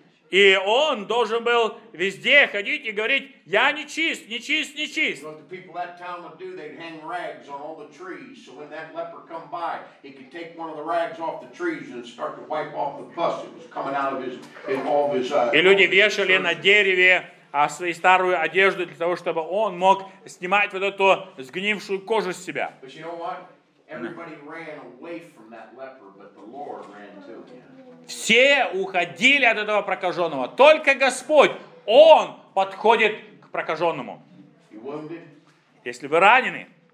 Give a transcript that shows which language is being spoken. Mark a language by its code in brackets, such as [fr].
[ru] И он должен был везде ходить и говорить, я не чист, не чист, не чист. [en] What the people that town would do, they'd hang rags on all the trees. So when that leper come by, he could take one of the rags off the trees and start to wipe off the pus that was coming out of his, in all of his... [ru] И люди вешали на дереве свою старую одежду для того, чтобы он мог снимать вот эту сгнившую кожу с себя. [en] But you know what? Everybody ran away from that leper, but the Lord ran to him. [ru] Все уходили от этого прокаженного. Только Господь, Он подходит к прокаженному. Если вы ранены,